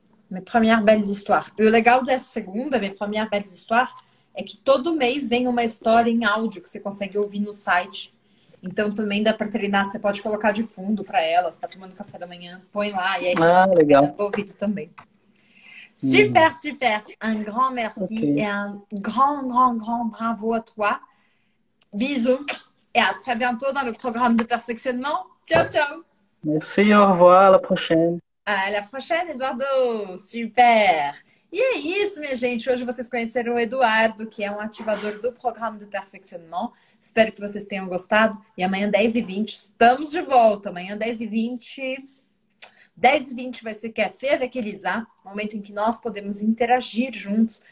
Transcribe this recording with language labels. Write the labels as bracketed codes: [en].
[pt] Minha primeira belle histoire. E o legal dessa segunda, minha primeira belle histoire, é que todo mês vem uma história em áudio que você consegue ouvir no site. Então também dá para treinar, você pode colocar de fundo para ela, você está tomando café da manhã, põe lá e aí você Ah, fica legal. treinando o ouvido também. Super, super. [fr] Un grand merci et un grand, grand, grand bravo à toi. Bisous et à très bientôt dans le programme de perfectionnement. Ciao, ciao! Merci, au revoir, à la prochaine. À la prochaine, [pt] Eduardo! Super! E é isso, minha gente. Hoje vocês conheceram o Eduardo, que é um ativador do programa de perfeccionamento. Espero que vocês tenham gostado. E amanhã, 10h20, estamos de volta. Amanhã, 10h20. 10h20 vai ser Café Vequelizar, momento em que nós podemos interagir juntos.